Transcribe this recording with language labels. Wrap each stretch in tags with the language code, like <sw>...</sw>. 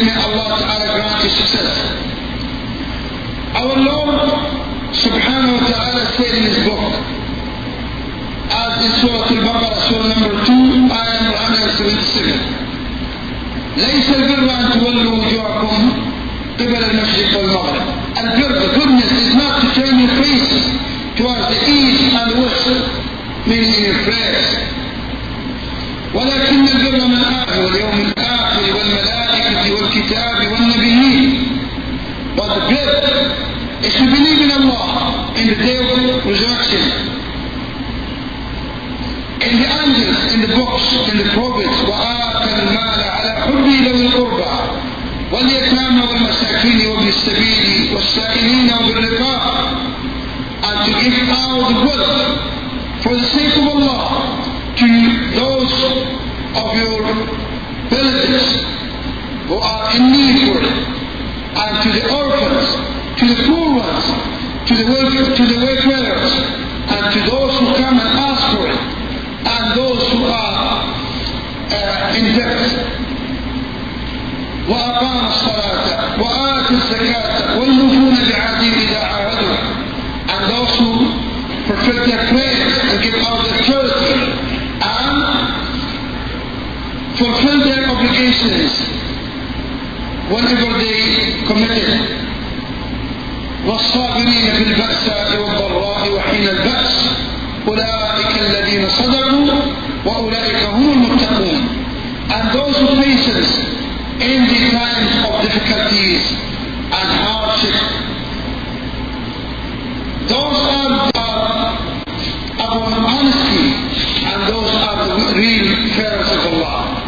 <en>May Allah Ta'ala grant you success. Our Lord Subhanahu wa Ta'ala said in His book, as in Surah Al-Baqarah, Surah number 2, Ayah number 177,</en> <ar>لَيْسَ الْبِرَّ أَن تُوَلُّوا وُجُوهَكُمْ قِبَلَ الْمَشْرِقِ وَالْمَغْرِبِ.</ar> <en>Al-Birr, the goodness, is not to turn your face towards the east and west, meaning in your prayers.</en> <ar>ولكن البر من آمن واليوم الآخر والملائكة والكتاب والنبيين.</ar> <en>But the good is to believe in Allah in the day of resurrection, in the angels, in the books, in the prophets.</en> <ar>وآتى المال على حبه ذوي القربى واليتامى والمساكين وابن السبيل والسائلين وابن الرقاب.</ar> <en>And to give all the wealth for the sake of Allah to those of your relatives who are in need for it, and to the orphans, to the poor ones, to the welfare, to the wayfarers, and to those who come and ask for it, and those who are in debt.</en> <ar>وأقام الصلاة وآتى الزكاة والنفون بعهدهم إذا عاهدوا.</ar> <en>And those who perfect their prayers and give out their charity and fulfill their obligations whenever they committed.</en> <ar>والصابرين في البأساء والضراء وحين البأس أولئك الذين صدقوا وأولئك هم المتقون.</ar> <en>And those who faces in the times of difficulties and hardship, those are upon honesty, and those are the real fearers of Allah.</en>